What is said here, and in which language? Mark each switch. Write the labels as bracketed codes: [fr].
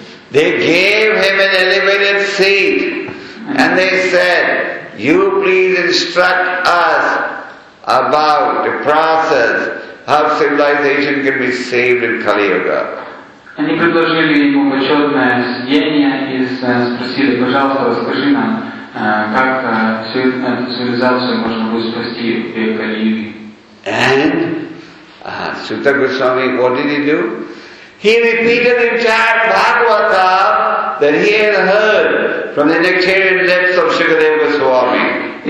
[en] They gave him an elevated seat and they said, you please instruct us about the process how civilization can be saved in Kali Yuga. [ru] Они предложили ему почетное сидение и спросили, пожалуйста, расскажи нам, как всю эту цивилизацию можно будет спасти в Кали Юге. [en] And Suta Goswami, what did he do? He repeated the entire Bhagavata that he had heard from the nectarian lips of Shukadeva Goswami.